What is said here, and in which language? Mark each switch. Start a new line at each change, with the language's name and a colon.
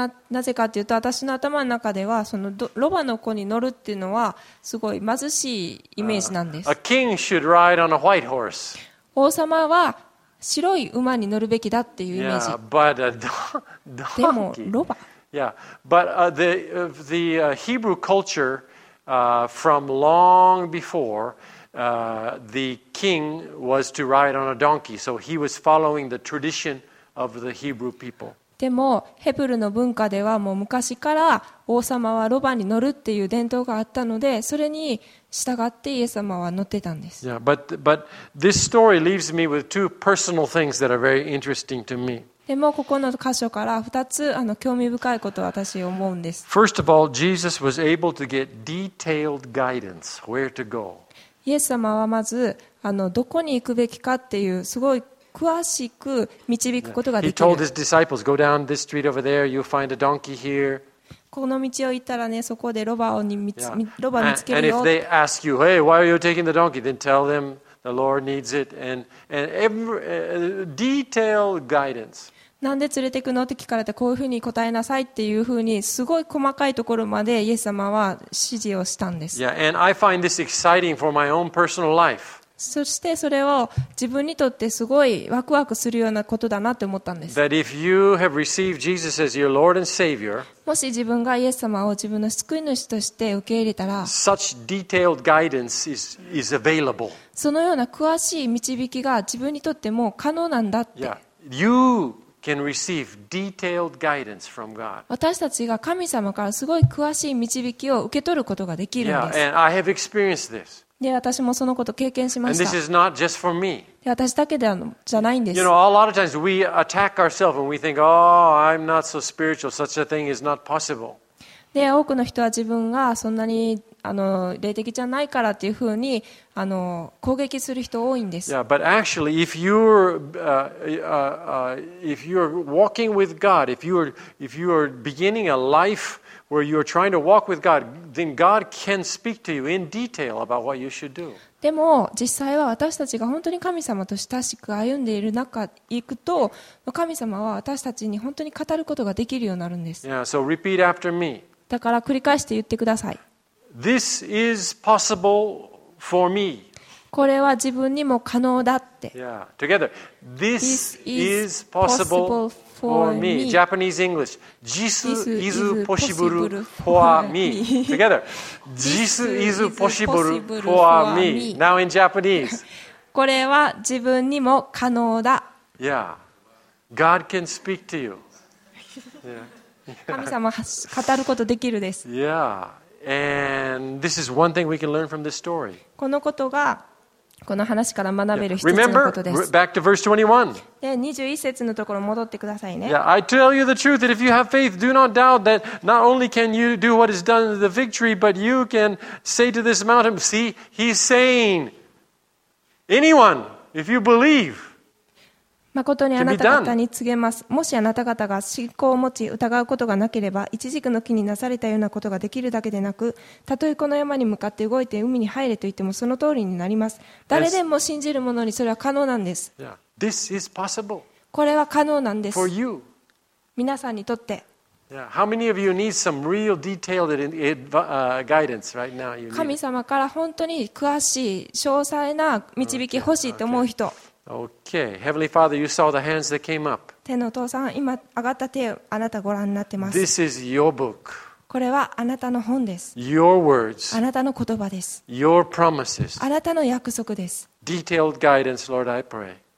Japanese: なぜかというと私の頭の中ではそのロバの子に乗るっていうのはすごい貧しいイメージなんです。
English: A king should ride on a white horse.
Japanese: 王様は白い馬に乗るべきだっていうイメージ。でもロバ。
English: Yeah, but the Hebrew culture from long before the king was to ride on a donkey, so he was following the tradition of the Hebrew people.
Japanese: でもヘブルの文化ではもう昔から王様はロバに乗るっていう伝統があったのでそれに従ってイエス様は乗ってたんです。
English: Yeah, but this story leaves me with two personal things that are very interesting to me.
Japanese: でもここの箇所から2つ興味深いことを私思うんです。
English: First of all, Jesus was able to get detailed guidance where to go.
Japanese: イエス様はまずどこに行くべきかっていうすごい詳しく導くことができる。
English: He told his disciples, "Go down this street over there. You'll find a donkey here."
Japanese: この道を行ったらね、そこでロバを見つ、yeah. ロバ見つけるよ。
English: And if they ask you, "Hey, why are you taking the donkey?" Then tell them the Lord needs it. And every detailed guidance.
Japanese: なんで連れてくのって聞かれて、こういうふうに答えなさいっていうふうにすごい細かいところまでイエス様は指示をしたんです。
English: Yeah, and I find this exciting for my own personal life.
Japanese: そしてそれを自分にとってすごいワクワクするようなことだなと思ったんです。
English: Savior,
Japanese: もし自分がイエス様を自分の救い主として受け入れたら、
English: such detailed guidance is available.
Japanese: そのような詳しい導きが自分にとっても可能なんだって。
English: Yeah. You can receive detailed guidance from God.
Japanese: 私たちが神様からすごい詳しい導きを受け取ることができるんです。
English: Yeah, and I have experienced this.
Japanese: で私もそのこと経験しました。で私だけではじゃないんです。
English: You know, a lot of times we attack ourselves and we think, "Oh, I'm not so spiritual. Such a thing is not possible."
Japanese: で多くの人は自分がそんなに霊的じゃないからっていうふうに攻撃する人多いんです。
English: Yeah, but actually, if you're walking with God, if you're beginning a life. Where you are trying to walk with God, then God can speak to you in detail about what you should do.
Japanese: でも実際は私たちが本当に神様と親しく歩んでいる中行くと、神様は私たちに本当に語ることができるようになるんです。
English: Yeah, so repeat after me.
Japanese: だから繰り返して言ってください。
English: This is possible for me.
Japanese: これは自分にも可能だって。
English: Yeah, together. This is possible for me. For me, Japanese English. This is possible for me. Together. This is possible for me. Now in Japanese.
Japanese: これは自分にも可能だ。
English: Yeah. God can speak to you.
Japanese: Yeah. 神様は語ることできるです。
English: Yeah. And this is one thing we can learn from this story.
Japanese: このことがこの話から学べる一つのことです。
English: Remember, back to verse 21.
Japanese: 21節のところ戻ってくださいね。
English: Yeah, I tell you the truth that if you have faith, do not doubt that not only can you do what is done in the fig tree, but you can say to this mountain, see, he's saying, anyone, if you believe, can be done.
Japanese: 誠にあなた方に告げます。もしあなた方が信仰を持ち疑うことがなければ、イチジクの木になされたようなことができるだけでなく、たとえこの山に向かって動いて海に入れと言ってもその通りになります。誰でも信じる者にそれは可能なんです。
English: Yeah. This is possible.
Japanese: これは可能なんです。
English: For you.
Japanese: 皆さんにとって。
English: Yeah. How many of you need some real detailed guidance right now? You need.
Japanese: 神様から本当に詳しい詳細な導き欲しいと思う人。
English: Okay, Heavenly Father, you saw the hands that came up.
Japanese: 天のお父さん、今上がった手、あなたご覧になってます。
English: This is your book.
Japanese: これはあなたの本です。
English: Your words.
Japanese: あなたの言葉です。
English: Your promises.
Japanese: あなたの約束です。
English: Detailed guidance, Lord, I pray.